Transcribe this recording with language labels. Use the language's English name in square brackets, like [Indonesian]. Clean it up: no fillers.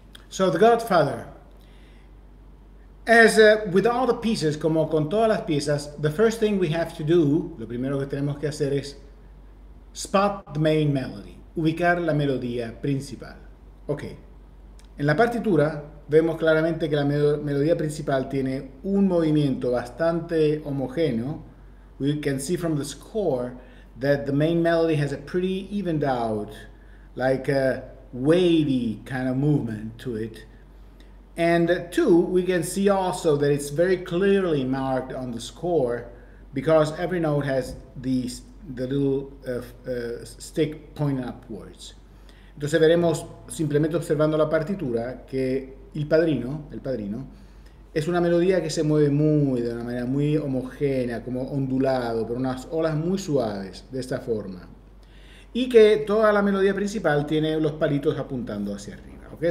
[English] So The Godfather. As with all the pieces, [Spanish] como con todas las piezas, [English] the first thing we have to do, [Spanish] lo primero que tenemos que hacer es [English] spot the main melody, [Spanish] ubicar la melodía principal. [English] Okay. [Spanish] En la partitura vemos claramente que la melodía principal tiene un movimiento bastante homogéneo. [English] We can see from the score that the main melody has a pretty evened out, like a wavy kind of movement to it. And two, we can see also that it's very clearly marked on the score because every note has the little stick pointing upwards. [Spanish] Entonces veremos, simplemente observando la partitura, que el padrino, es una melodía que se mueve muy, de una manera muy homogénea, como ondulado, por unas olas muy suaves, de esta forma. Y que toda la melodía principal tiene los palitos apuntando hacia arriba. ¿Okay?